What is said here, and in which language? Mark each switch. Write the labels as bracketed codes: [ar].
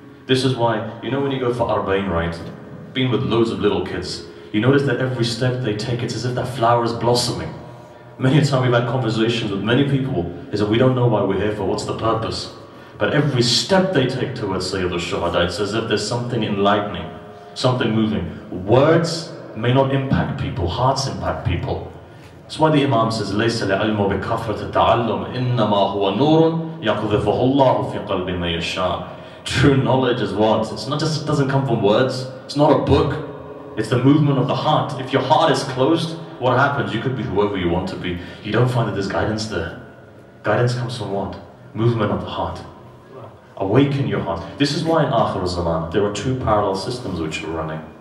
[en] This is why, you know, when you go for Arbain, right? Being with loads of little kids, you notice that every step they take, it's as if that flower is blossoming. Many a time we've had conversations with many people, is that we don't know why we're here for, what's the purpose? But every step they take towards Sayyid al-Shuhada, it's as if there's something enlightening, something moving. Words may not impact people, hearts impact people. That's why the Imam says, [ar] لَيْسَ لِعَلْمُ بِكَفْرَةِ تَعَلُّمْ إِنَّمَا هُوَ نُورٌ يَقْذِفُهُ اللَّهُ فِي قَلْبِ مَا يَشَاءُ. [en] True knowledge is what? It's not just, it doesn't come from words. It's not a book. It's the movement of the heart. If your heart is closed, what happens? You could be whoever you want to be. You don't find that there's guidance there. Guidance comes from what? Movement of the heart. Awaken your heart. This is why in Akhir al-Zaman, there are two parallel systems which are running.